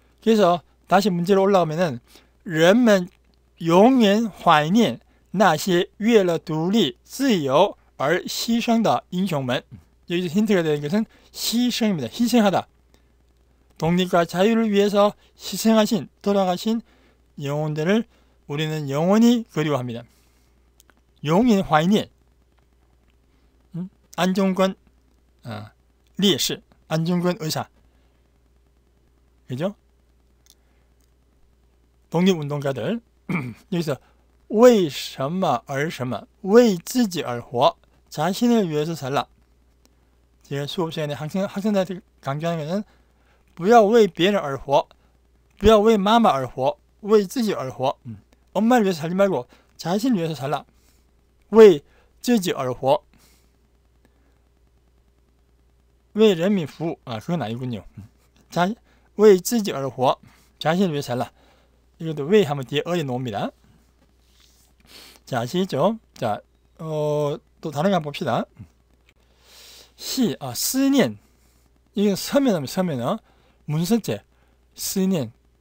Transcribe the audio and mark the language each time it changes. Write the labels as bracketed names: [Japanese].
[Korean] 그래서 다시 문제로 올라오면은, [Chinese] 人们 영원 怀念 那些为了独立自由而牺牲的英雄们. [Korean] 여기서 힌트가 되는 것은 牺牲입니다. 희생하다. 독립과 자유를 위해서 희생하신, 돌아가신 영혼들을 우리는 영원히 그리워합니다. 영원 怀念. 안중근 烈士, 안중근 의사. 그죠? 독립운동가들. 여기서 [Chinese] 为什么而什么为自己而活 [Korean] 자신을 위해서 살라. 제가 수업 시간에 학생들한테 강조하는 것은 [Chinese] 不要为别人而活不要为妈妈而活为自己而活 [Korean] 엄마를 위해서 살지 말고 자신을 위해서 살라. [Chinese] 为自己而活为人民服务 [Korean] 아, 그건 아니군요. [Chinese] 为自己而活 [Korean] 자신을 위해서 살라. 이것도 왜 하면 뒤에 어에 놓습니다. 자, 아시겠죠? 자, 또 다른 거 한번 봅시다. 시, 아, 스니엔. 이건 서면어입니다, 서면어. 문서체. 스니엔.